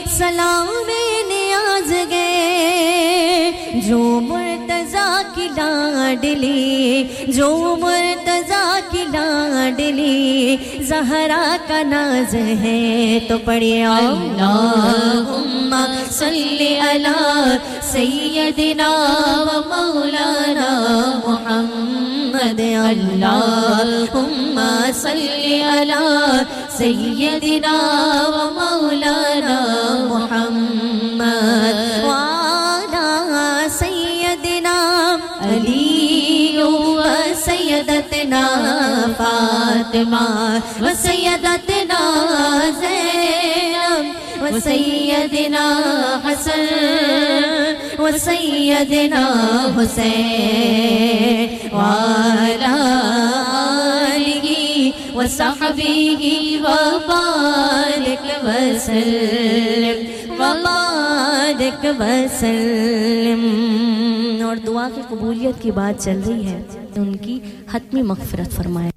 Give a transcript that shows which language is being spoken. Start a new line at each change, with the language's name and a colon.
Urdu: سلام نیاز گئے جو مرتضیٰ کی لاڈلی جو مرتضیٰ کی لاڈلی زہرا کا ناز ہے تو پڑھے
Arabic: اللہم صلی علی سیدنا و مولانا محمد محمد اللهم صل على سيدنا ومولانا محمد وعلى سيدنا علي وسيدتنا فاطمة وسيدتنا زينب وسيدنا حسن وسيدنا حسين وعلى آله وصحبه وبارك وسلم وبارك وسلم.
Urdu: اور دعا کی قبولیت کی بات چل رہی ہے ان کی حتمی مغفرت فرمائے.